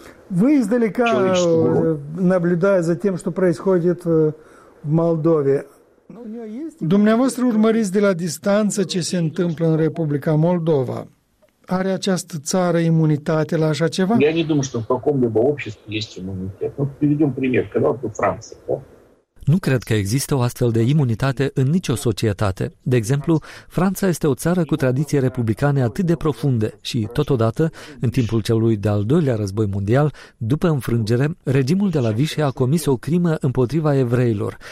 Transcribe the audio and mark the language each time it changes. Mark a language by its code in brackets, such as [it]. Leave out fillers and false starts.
[ru] Вы издалека, наблюдая за тем, что происходит в Молдове, [ro] dumneavoastră urmăriți de la distanță ce se întâmplă în Republica Moldova. Are această țară imunitate la așa ceva? [ru] Я не думаю, что в каком-либо обществе есть иммунитет. Ну, приведем пример, когда вот Франция, [ro] Nu cred că există o astfel de imunitate în nicio societate. De exemplu, Franța este o țară cu tradiții republicane atât de profunde și, totodată, în timpul celui de-al doilea război mondial, după înfrângere, regimul de la Vichy a comis o crimă împotriva evreilor.